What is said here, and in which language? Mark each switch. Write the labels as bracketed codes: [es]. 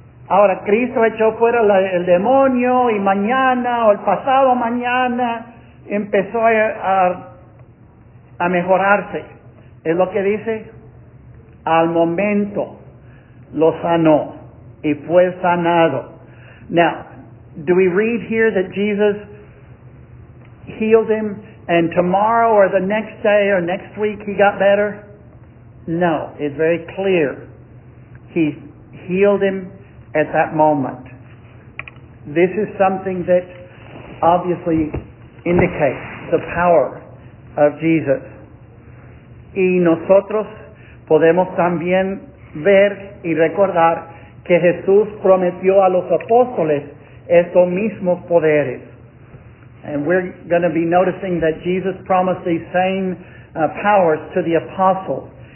[es] Ahora, Cristo echó fuera el demonio y mañana o el pasado mañana empezó a mejorarse. Es lo que dice, al momento lo sanó y fue sanado. [en] Now, do we read here that Jesus healed him and tomorrow or the next day or next week he got better? No, it's very clear. He healed him at that moment. This is something that obviously indicates the power of Jesus. [es] Y nosotros podemos también ver y recordar que Jesús prometió a los apóstoles estos mismos poderes. [en] And we're going to be noticing that Jesus promised these same powers to the apostles.